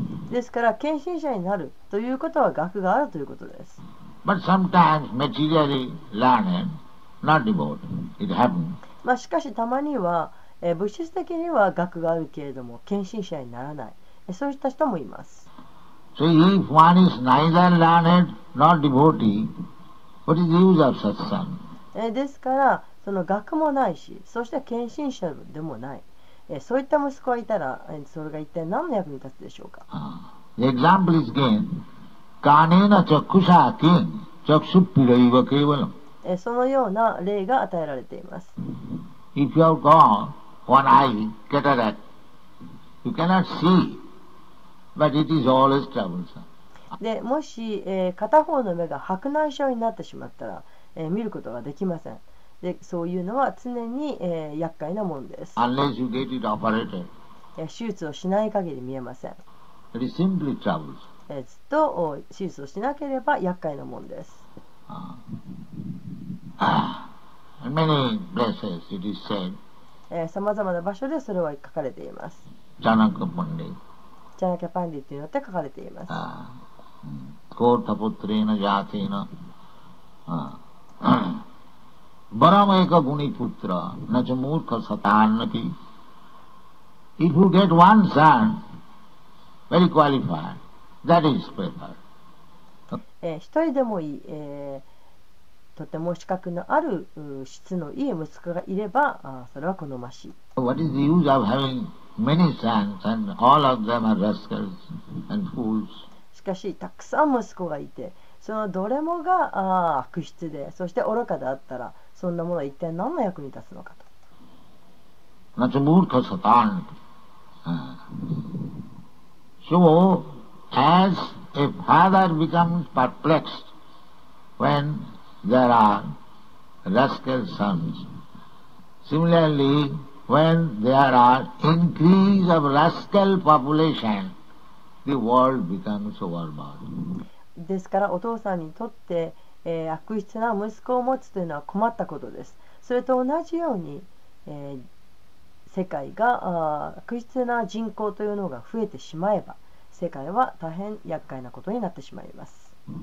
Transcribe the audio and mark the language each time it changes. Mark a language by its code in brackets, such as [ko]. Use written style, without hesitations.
[ja] ですから、献身者になるということは学があるということです。 [en] But sometimes materially learned, not devotee. It happens. [ja] まあしかし、たまには、物質的には学があるけれども、献身者にならない。そうした人もいます。 [en] So if one is neither learned nor devotee,What is the use of such son? [ja] ですから、その学もないし、そして献身者でもない。そういった息子がいたら、それが一体何の役に立つでしょうか。 [en] The example is again, [sa] Kanena Chakusha Kin Chakshupirayiva Kevalam. [ja] そのような例が与えられています。 [en] If you have gone one eye cataract, you cannot see, but it is always troublesome. [ja] でもし、片方の目が白内障になってしまったら、見ることができません。でそういうのは常に、厄介なものです。 [en] Unless you get it operated. [ja] 手術をしない限り見えません。 [en] It is simply troubles. [ja] ずっと手術をしなければ厄介なものです。 [en] Many places it is said. [ja] さまざまな場所でそれは書かれています。ジャナカパンディ、ジャナカパンディというのって書かれています。 [sa] コータポトレーナジャーティーナバラマエカグニプトラナチャムーカサタンナティ [en] If you get one son very qualified that is preferred [ja] 一人でもいい、とても資格のある質のいい息子がいればそれは好ましい。 [en] What is the use of having many sons and all of them are rascals and fools [ja] しかしたくさん息子がいて、そのどれもが悪質で、そして愚かであったら、そんなものは一体何の役に立つのかと。 [sa] ナチュムールカサタン。 [en] So, as a father becomes perplexed when there are rascal sons, similarly, when there are increase of rascal population,The world becomes overburdened. [ja] ですからお父さんにとって、悪質な息子を持つというのは困ったことです。それと同じように、世界が悪質な人口というのが増えてしまえば世界は大変厄介なことになってしまいます。